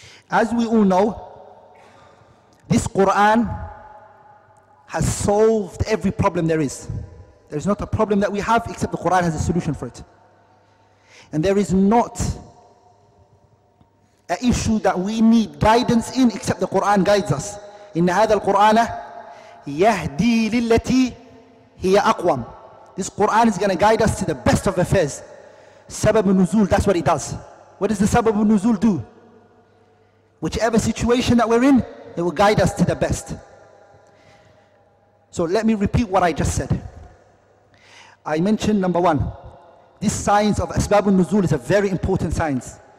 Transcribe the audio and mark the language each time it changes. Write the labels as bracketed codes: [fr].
[en] As we all know, this Quran has solved every problem there is. There is not a problem that we have except the Quran has a solution for it. And there is not an issue that we need guidance in except the Quran guides us. [ar] إن هذا القرآن يهدي للتي هي أقوم. [en] This Quran is going to guide us to the best of affairs. سبب النزول, that's what it does. What does the سبب النزول do? Whichever situation that we're in, it will guide us to the best. So let me repeat what I just said. I mentioned number one, this science of asbab al-nuzul is a very important science.